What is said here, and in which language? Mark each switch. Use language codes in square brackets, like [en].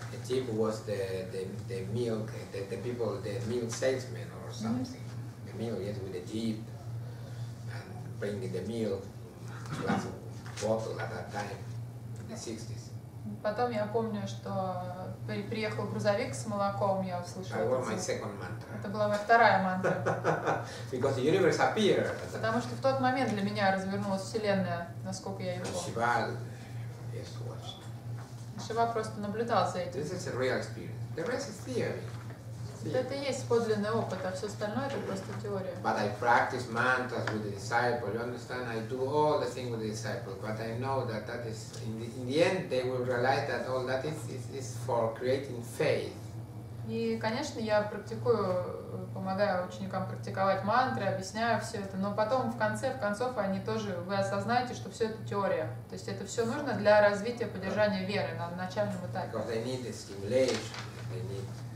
[en] A deep was the milk, the people, the milk salesman or something. Mm-hmm. The milk, yes, with the deep. And bringing the milk to a bottle at that time, in the 60s. [ru] Потом я помню, что приехал грузовик с молоком, я услышал. Это была моя вторая мантра. [en] Because the universe appeared. [ru] Потому что в тот момент для меня развернулась Вселенная, насколько я ее помню. [en] Shiva just watched. [ru] Shiva просто наблюдал за этим. [en] This is a real experience. The rest is theory. [ru] Это и есть подлинный опыт, а все остальное это просто теория. [en] But I practice mantras with the disciple. You understand? I do all the things with the disciple. But I know that is in the end they will realize that all that is for creating faith. [ru] И, конечно, я практикую, помогаю ученикам практиковать мантры, объясняю все это. Но потом в конце они тоже вы осознаете, что все это теория. То есть это все нужно для развития поддержания веры на начальном этапе. [en] Because they need the stimulation. They need.